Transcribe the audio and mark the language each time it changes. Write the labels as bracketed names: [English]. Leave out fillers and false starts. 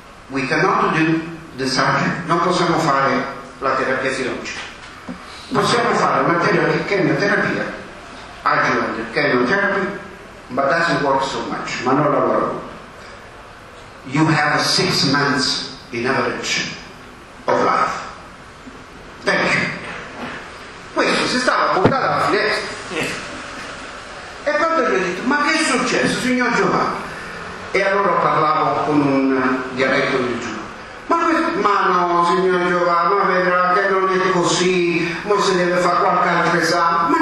[English] We cannot do the surgery. [Italian] Non possiamo fare la terapia chirurgica. Possiamo fare una chemioterapia, [English] adjuvant chemotherapy, but doesn't work so much. [Italian] Ma non lavora. [English] You have 6 months in average of life. Thank you. [Italian] Questo si stava buttando alla finestra. E quando gli ho detto, ma che è successo, signor Giovanni? E allora parlavo con un dialetto di giù. Ma no, signor Giovanni, ma vedrà che non è così, ma si deve fare qualche altro esame.